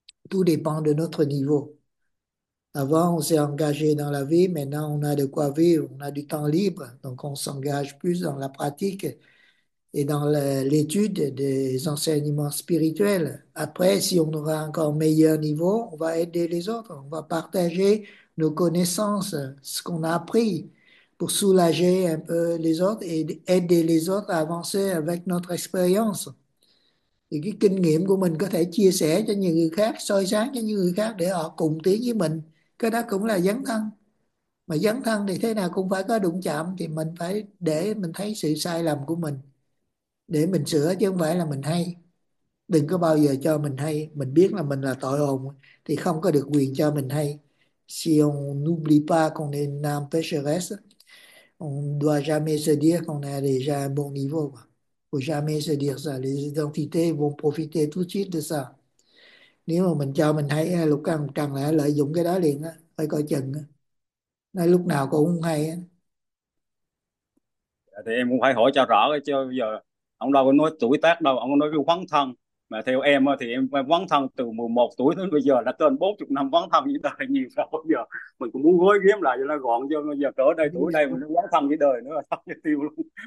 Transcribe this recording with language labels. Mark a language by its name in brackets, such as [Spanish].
[French] Tout dépend de notre niveau. Avant, on s'est engagé dans la vie, maintenant, on a de quoi vivre, on a du temps libre, donc on s'engage plus dans la pratique et dans l'étude des enseignements spirituels. Après, si on aura encore meilleur niveau, on va aider les autres, on va partager nos connaissances, ce qu'on a appris, pour soulager un peu les autres et aider les autres à avancer avec notre expérience. [Vietnamese] Thì cái kinh nghiệm của mình có thể chia sẻ cho nhiều người khác, soi sáng cho nhiều người khác để họ cùng tiến với mình, cái đó cũng là dấn thân. Mà dấn thân thì thế nào cũng phải có đụng chạm, thì mình phải để mình thấy sự sai lầm của mình để mình sửa, chứ không phải là mình hay. Đừng có bao giờ cho mình hay, mình biết là mình là tội hồn thì không có được quyền cho mình hay. [French] Si on n'oublie pas qu'on est une âme pécheresse, on doit jamais se dire qu'on est déjà à un bon niveau. Faut jamais se dire ça. Les identités vont profiter tout de suite de ça. [Vietnamese] Nếu mà mình cho mình hay, lục căn trần lại lợi dụng cái đó liền á, phải coi chừng á. Nói lúc nào cũng không hay á. Thì em cũng phải hỏi cho rõ chứ, bây giờ ông đâu có nói tuổi tác đâu, ông nói cái quán thân, mà theo em thì em quán thân từ 11 tuổi đến bây giờ là trên 40 năm quán thân với đời, nhiều sao bây giờ mình cũng muốn gói ghém lại cho nó gọn, cho bây giờ trở đây tuổi đây mình quán thân với đời nữa là xong tiêu luôn.